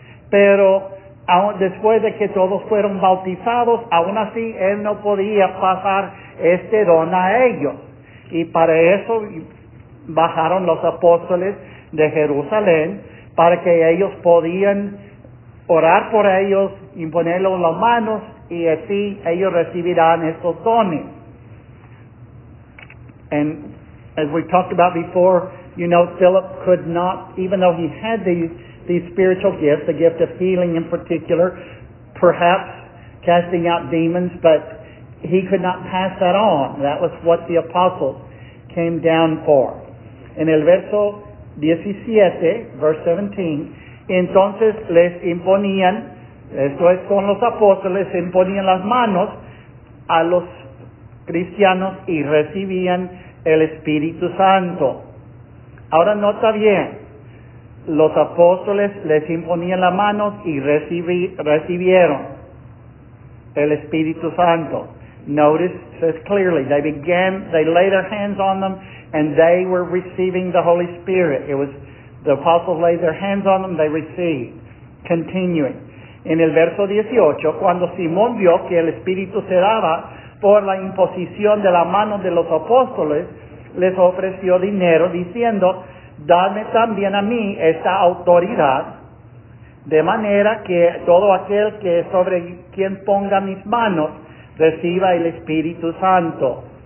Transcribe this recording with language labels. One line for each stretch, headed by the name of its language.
Spanish: Pero después de que todos fueron bautizados, aún así él no podía pasar este don a ellos. Y para eso bajaron los apóstoles de Jerusalén, para que ellos podían orar por ellos, imponerlo en las manos, y así ellos recibirán estos dones.
English: And as we talked about before, you know, Philip could not, even though he had these spiritual gifts, the gift of healing in particular, perhaps casting out demons, but he could not pass that on. That was what the apostles came down for.
Spanish: En el verso 17,
English: verse 17,
Spanish: entonces les imponían, esto es con los apóstoles, imponían las manos a los cristianos y recibían el Espíritu Santo. Ahora nota bien, los apóstoles les imponían las manos y recibieron el Espíritu Santo.
English: Notice, it says clearly, they laid their hands on them and they were receiving the Holy Spirit. It was the apostles laid their hands on them, they received. Continuing.
Spanish: En el verso 18, cuando Simón vio que el Espíritu se daba por la imposición de la mano de los apóstoles, les ofreció dinero diciendo, dame también a mí esta autoridad, de manera que todo aquel que sobre quien ponga mis manos reciba el Espíritu Santo.